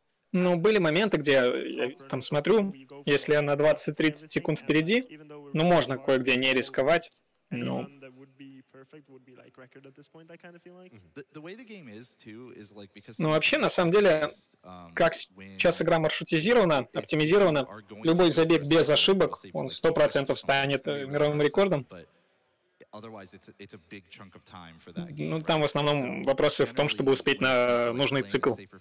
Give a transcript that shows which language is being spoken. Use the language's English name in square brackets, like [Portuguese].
[Russian] Ну, были моменты, где я там смотрю, если я на 20-30 секунд впереди, ну, можно кое-где не рисковать. [English] No. Anyone that would be perfect would be like record at this point. I kind of feel like. The way the game is too is like because. [Russian] Ну вообще на самом деле, как сейчас игра маршрутизирована, оптимизирована, любой забег без ошибок, он 100% станет мировым рекордом. Ну там в основном вопросы в том, чтобы успеть на нужный цикл.